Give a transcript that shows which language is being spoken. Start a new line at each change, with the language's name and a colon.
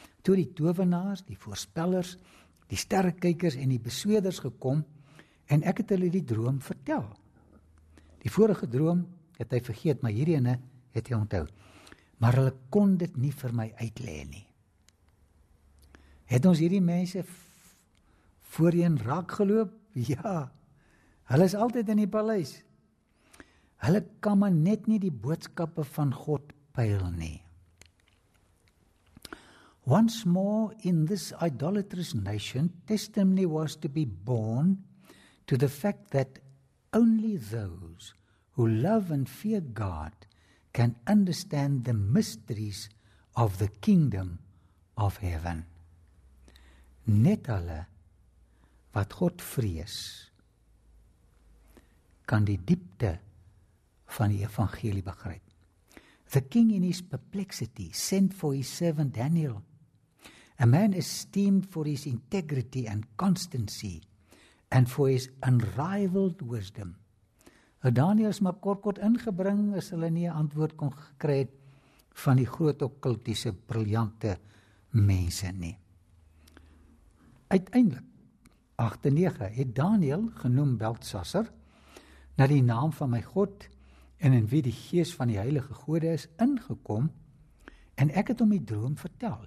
Afrikaans: Toe die towenaars, die voorspellers, die sterrekijkers en die besweders gekom, en ek het hulle die droom vertel. Die vorige droom het hy vergeet, maar hierdie ene het hy onthou. Maar hulle kon dit nie vir my uitlê nie. Het ons hierdie mense voorheen raak geloop? Ja, hulle is altyd in die paleis. Hulle kan maar net nie die boodskappe van God peil nie.
English: Once more in this idolatrous nation, testimony was to be born to the fact that only those who love and fear God can understand the mysteries of the kingdom of heaven.
Afrikaans: Net hulle wat God vrees, kan die diepte van die evangelie begryp.
English: The king in his perplexity sent for his servant Daniel, a man esteemed for his integrity and constancy and for his unrivaled wisdom.
Afrikaans: Nou Daniel is maar kort ingebring as hulle nie 'n antwoord kon gekry het van die groot okkultiese briljante mense nie. Uiteindelik, 8:9, het Daniel, genoem Beltsasser, na die naam van my God en in wie die gees van die heilige gode is, ingekom en ek het hom die droom vertel.